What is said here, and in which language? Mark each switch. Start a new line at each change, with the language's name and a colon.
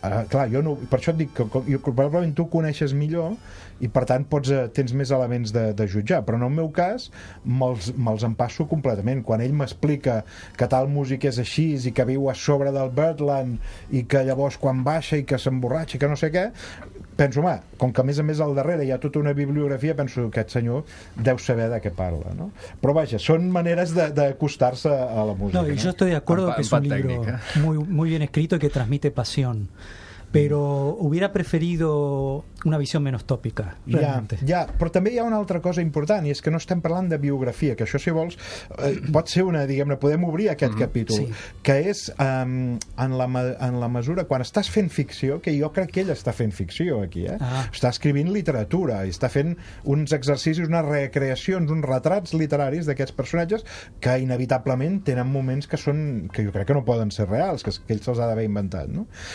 Catalan: clar, jo no, per això et dic que probablement tu coneixes millor i per tant tens més elements de jutjar, però en el meu cas me'ls empasso completament. Quan ell m'explica que tal músic és així i que viu a sobre del Birdland i que llavors quan baixa i que s'emborratxa i que no sé què, penso, home, com que a més al darrere hi ha tota una bibliografia, penso que aquest senyor deu saber de què parla, no? Però vaja, són maneres d'acostar-se a la música.
Spanish: No, yo estoy de acuerdo que es un libro muy, muy bien escrito y que transmite pasión, pero hubiera preferido una visión menos tópica, realmente.
Catalan: Ja, però també hi ha una altra cosa important, i és que no estem parlant de biografia, que això, si vols, pot ser una, diguem-ne, podem obrir aquest capítol, que és en la mesura, quan estàs fent ficció, que jo crec que ell està fent ficció aquí, està escrivint literatura i està fent uns exercicis, unes recreacions, uns retrats literaris d'aquests personatges que inevitablement tenen moments que són, que jo crec que no poden ser reals, que ell se'ls ha d'haver inventat, no?